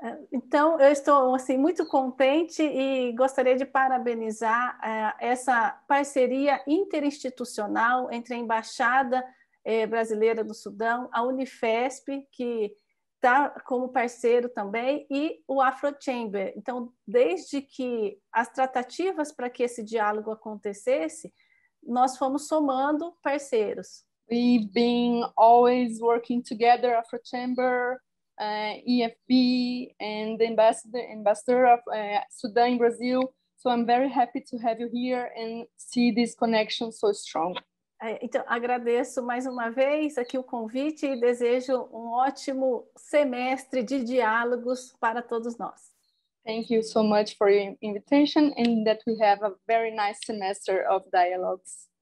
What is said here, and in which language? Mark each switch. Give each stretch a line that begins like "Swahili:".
Portuguese: Então, eu estou assim, muito contente e gostaria de parabenizar essa parceria interinstitucional entre a Embaixada Brasileira do Sudão, a Unifesp, que está como parceiro também, e o Afrochamber. Então, desde que as tratativas para que esse diálogo acontecesse, nós fomos somando parceiros.
English: We've been always working together, Afrochamber, IFB, and the ambassador of Sudan in Brazil. So I'm very happy to have you here and see this connection so strong.
Portuguese: Então, agradeço mais uma vez aqui o convite e desejo um ótimo semestre de diálogos para todos nós.
English: Thank you so much for your invitation and that we have a very nice semester of dialogues.